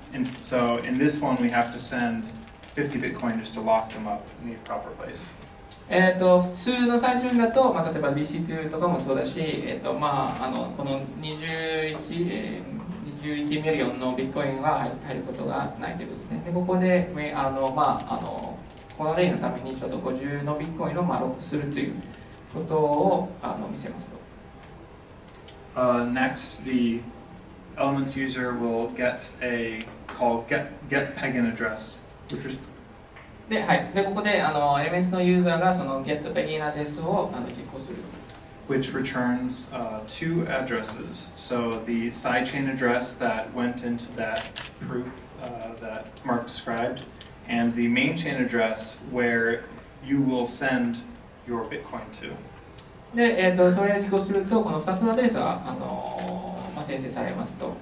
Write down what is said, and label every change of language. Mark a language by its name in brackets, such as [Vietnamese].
[English] And so in this one, we have to send 50 Bitcoin just to lock them up in the proper place. [Japanese] 普通のサイチェーンだと、例えば BC2 とかもそうだし、この21ミリオンのビットコインが入ることがないということですね。で、ここで、この例のためにちょっと50のビットコインをロックするということを見せますと。 [English] Next, the Elements user will get a call, get peg an address, which is [Japanese] で、はい。で、ここで、エレメンツのユーザーがその getBeginAddress を実行する。 [English] Which returns two addresses. So the sidechain address that went into that proof that Mark described, and the main chain address where you will send your Bitcoin to. [Japanese] で、それを実行すると、この2つのアドレスは、まあ、生成されますと。